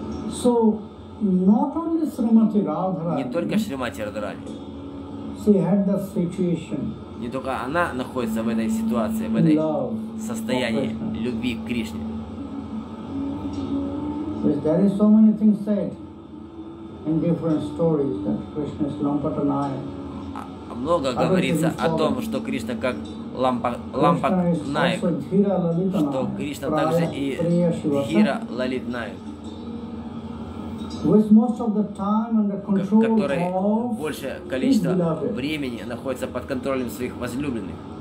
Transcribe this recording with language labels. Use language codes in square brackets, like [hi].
[en] So, not only Shrimati Radharani, [ru] не только Шримати Радхарани. [en] She had the situation. [ru] Не только она находится в этой ситуации, в этой состоянии любви к Кришне. [en] There is so many things said in different stories that Krishna is Lampatanaya. [ru] Много говорится о том, что Кришна как Лампатанай, что Кришна также и Дхира Лалитанай. [en] With most of the time under control, [ru] который большее количество времени находится под контролем своих возлюбленных.